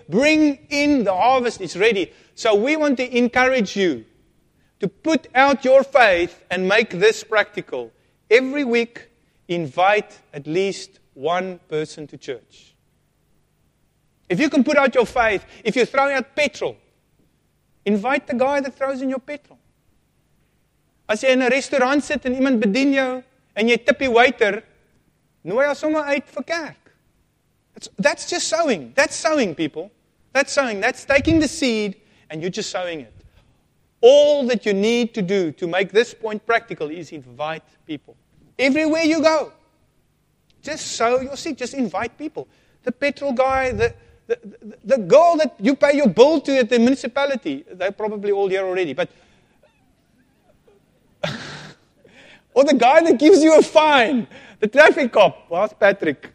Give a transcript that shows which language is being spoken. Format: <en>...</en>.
<en>Bring in the harvest. It's ready. So we want to encourage you to put out your faith and make this practical. Every week, invite at least one person to church. If you can put out your faith, if you're throwing out petrol, invite the guy that throws in your petrol.</en> <af>As jy in 'n restaurant sit en iemand bedien jou en jy tip die waiter, nooi hom sommer uit vir kerk.</af> <en>That's just sowing. That's sowing, people. That's sowing. That's taking the seed and you're just sowing it. All that you need to do to make this point practical is invite people. Everywhere you go, just sow your seed. Just invite people. The petrol guy, the girl that you pay your bill to at the municipality, they're probably all here already, but or the guy that gives you a fine, the traffic cop. Well, that's Patrick.</en>